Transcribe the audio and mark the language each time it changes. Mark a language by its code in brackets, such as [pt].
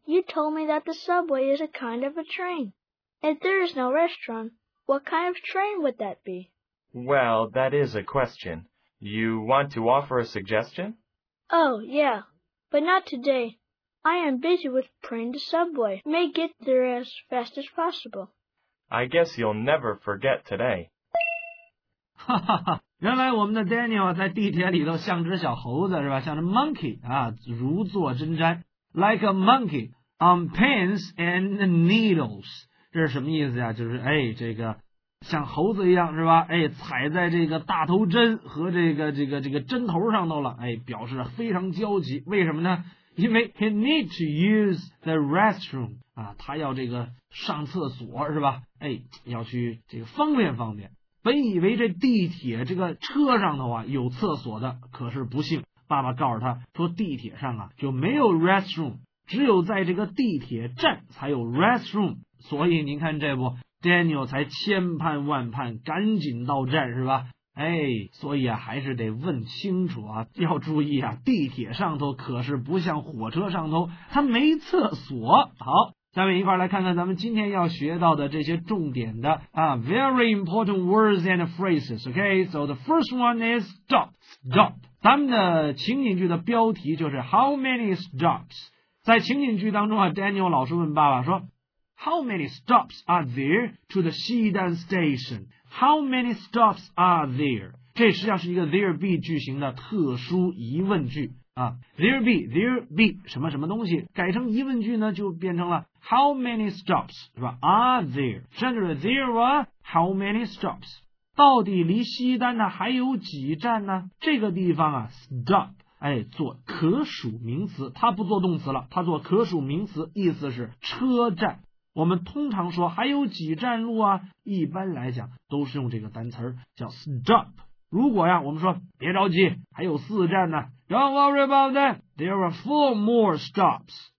[en] You told me that the subway is a kind of a train. If there is no restroom, what kind of train would that be? Well, that is a question. You want to offer a suggestion? Oh, yeah. But not today. I am busy with praying the subway may get there as fast as possible. I guess you'll never forget today. [zh] 哈哈哈，原来我们的 Daniel 在地铁里头像只小猴子，是吧？像只 monkey 啊，如坐针毡。 [en] Like a monkey on pins and needles. [zh] 这是什么意思呀？就是哎，这个像猴子一样，是吧？哎，踩在这个大头针和这个针头上头了，哎，表示非常焦急。为什么呢？因为 [en] he need to use the restroom [zh] 啊，他要这个上厕所，是吧？哎，要去这个方便方便。本以为这地铁这个车上头啊有厕所的，可是不幸，爸爸告诉他说地铁上啊就没有 restroom， 只有在这个地铁站才有 restroom。所以您看这不。Daniel 才千盼万盼赶紧到站，是吧？哎，所以啊还是得问清楚啊，要注意啊，地铁上头可是不像火车上头，它没厕所。好，下面一块来看看咱们今天要学到的这些重点的啊 [en] very important words and phrases。 OK， so the first one is stop. [zh] Stop， 咱们的情景剧的标题就是 [en] how many stops。 [zh] 在情景剧当中啊， Daniel 老师问爸爸说 [en] How many stops are there to the Xidan station? How many stops are there? [zh] 这实际上是一个 there be 句型的特殊疑问句啊。 There be 什么什么东西改成疑问句呢，就变成了 [en] How many stops [zh] 是吧 [en] are there? 甚至 there are how many stops? [zh] 到底离西单呢还有几站呢？这个地方啊 stop哎，做可数名词，它不做动词了，它做可数名词，意思是车站。我们通常说还有几站路啊，一般来讲都是用这个单词叫 stop。如果呀我们说别着急还有四站呢， [en] Don't worry about that, there are 4 more stops。